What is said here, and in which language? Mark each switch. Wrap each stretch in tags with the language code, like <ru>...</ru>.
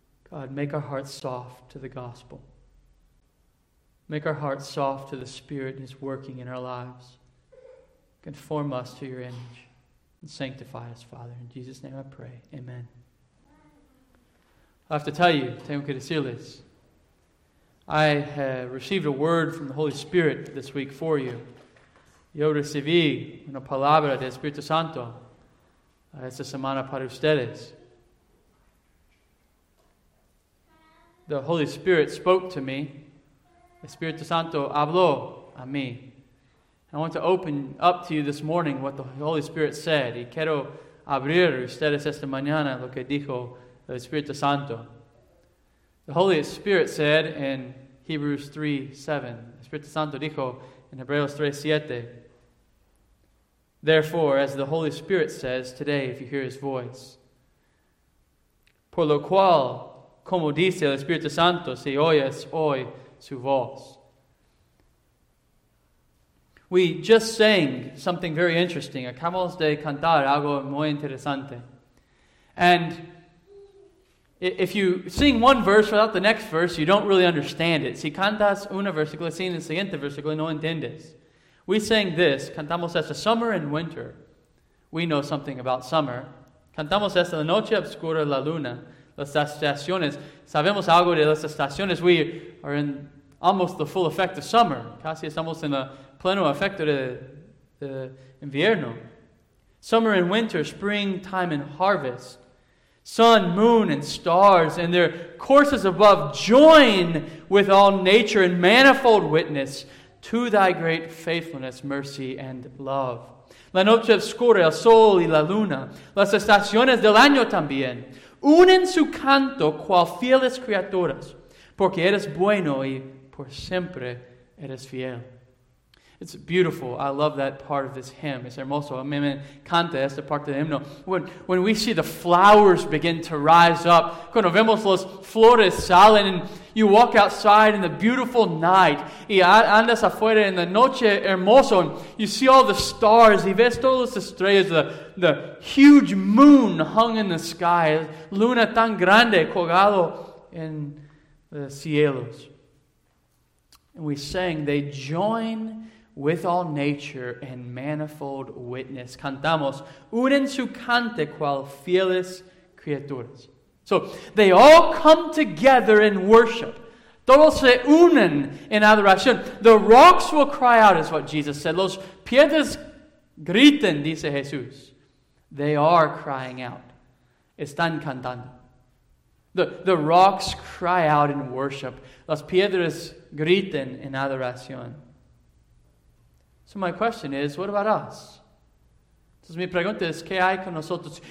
<en>God, make our hearts soft to the gospel. Make our hearts soft to the Spirit and His working in our lives. Conform us to Your image and sanctify us, Father. In Jesus' name I pray. Amen. I have to tell you,</en> <es>tengo que decirles,</es> <en>I have received a word from the Holy Spirit this week for you.</en> <es>Yo recibí una palabra del Espíritu Santo esta semana para ustedes.</es> <en>The Holy Spirit spoke to me.</en> <es>Espíritu Santo habló a mí.</es> <en>I want to open up to you this morning what the Holy Spirit said.</en> <es>Y quiero abrir ustedes esta mañana lo que dijo el Espíritu Santo.</es> <en>The Holy Spirit said in Hebrews 3:7.</en> <es>Espíritu Santo dijo en Hebreos 3:7.</es> <en>Therefore, as the Holy Spirit says today, if you hear His voice.</en> <es>Por lo cual, como dice el Espíritu Santo, si oyes hoy su voz.</es> <en>We just sang something very interesting.</en> <es>Acabamos de cantar algo muy interesante.</es> <en>And if you sing one verse without the next verse, you don't really understand it.</en> <es>Si cantas un versículo sin el siguiente versículo, no entiendes.</es> <en>We sang this,</en> <es>cantamos esta,</es> <en>summer and winter. We know something about summer.</en> <es>Cantamos esta, la noche oscura, la luna, las estaciones. Sabemos algo de las estaciones.</es> <en>We are in almost the full effect of summer.</en> <es>Casi estamos en el pleno efecto de invierno.</es> <en>Summer and winter, spring, time, and harvest. Sun, moon, and stars, and their courses above join with all nature in manifold witness to Thy great faithfulness, mercy, and love.</en> <es>La noche oscura, el sol y la luna, las estaciones del año también, unen su canto cual fieles criaturas, porque eres bueno y por siempre eres fiel.</es> <en>It's beautiful. I love that part of this hymn.</en> <es>Es hermoso. A mí me encanta esta parte del himno.</es> <en>When we see the flowers begin to rise up,</en> <es>cuando vemos las flores salen,</es> <en>and you walk outside in the beautiful night,</en> <es>y andas afuera en la noche hermoso,</es> <en>and you see all the stars,</en> <es>y ves todas las estrellas,</es> <en>the huge moon hung in the sky,</en> <es>luna tan grande colgado en the cielos.</es> <en>And we sang, they join with all nature and manifold witness.</en> <es>Cantamos, unen su cante cual fieles criaturas.</es> <en>So, they all come together in worship.</en> <es>Todos se unen en adoración.</es> <en>The rocks will cry out, is what Jesus said.</en> <es>Los piedras griten, dice Jesús.</es> <en>They are crying out.</en> <es>Están cantando.</es> <en>The rocks cry out in worship.</en> <es>Las piedras griten en adoración.</es> <en>So my question is, what about us?</en> <es>Entonces mi pregunta es, ¿qué hay con nosotros?</es>